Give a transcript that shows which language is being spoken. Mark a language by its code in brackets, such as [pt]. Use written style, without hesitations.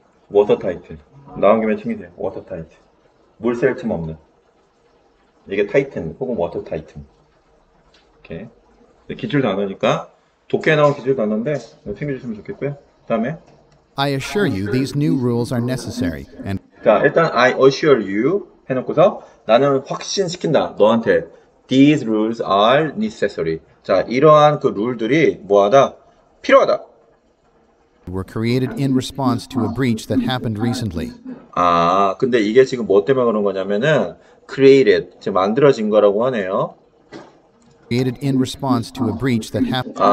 [ko] 워터 타이틀. 나온 김에 챙기세요. 워터 타이틀. 물 셀 틈 없는. 이게 타이틀, 혹은 워터 타이틀. 오케이. 기출 단어니까. 독해 나온 기술 단어인데 챙겨주시면 좋겠고요. 그다음에 [en] I assure you these new rules are necessary. And [ko] 자 일단 [en] I assure you [ko] 해놓고서 나는 확신시킨다 너한테 [en] these rules are necessary. [ko] 자 이러한 그 룰들이 뭐하다 필요하다. [en] Were created in response to a breach that happened recently. [ko] 아 근데 이게 지금 뭐 때문에 그런 거냐면은 created 지금 만들어진 거라고 하네요. [en] Created in response to a breach that happened.